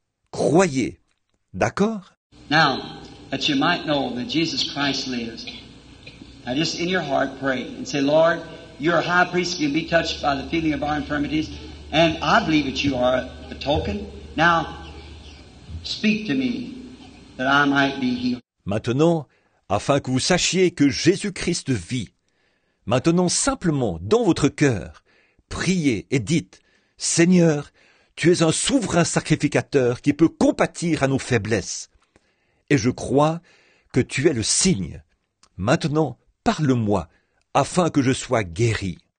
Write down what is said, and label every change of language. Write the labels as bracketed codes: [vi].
[fr] Croyez, d'accord ? [en] Now, that you might know that Jesus Christ lives, now just in your heart pray and say, Lord, you're a high priest, can be touched by the feeling of our infirmities, and I believe that you are a token. Now, speak to me that I might be healed. [fr] Maintenant, afin que vous sachiez que Jésus-Christ vit, maintenant simplement dans votre cœur, priez et dites, Seigneur, tu es un souverain sacrificateur qui peut compatir à nos faiblesses. Et je crois que tu es le signe. Maintenant, parle-moi, afin que je sois guéri.